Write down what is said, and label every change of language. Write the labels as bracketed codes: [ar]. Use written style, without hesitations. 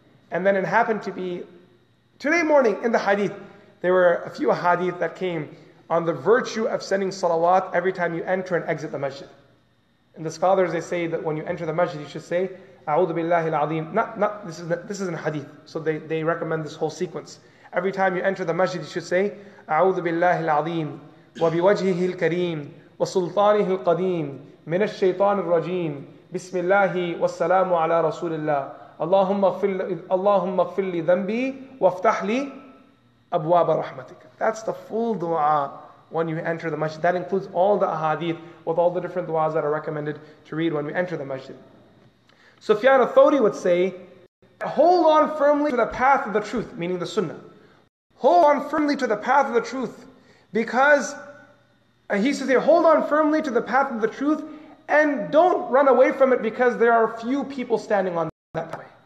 [en] And then it happened to be today morning in the Hadith, there were a few Hadith that came on the virtue of sending salawat every time you enter and exit the masjid. And the scholars, they say that when you enter the masjid, you should say, [ar] A'udhu Billahi Al-Azim. [en] This isn't Hadith. So they recommend this whole sequence. Every time you enter the masjid, you should say, [ar] A'udhu Billahi Al-Azim. وبوجهه الكريم وسلطانه القديم من الشيطان الرجيم بسم الله والسلام على رسول الله اللهم اغفر لي ذنبي وافتح لي ابواب رحمتك. [en] That's the full dua when you enter the masjid. That includes all the ahadith with all the different duas that are recommended to read when we enter the masjid. Sufyan al-Thawri would say, hold on firmly to the path of the truth, meaning the sunnah. Hold on firmly to the path of the truth. Because, and he says here, hold on firmly to the path of the truth and don't run away from it because there are few people standing on that way.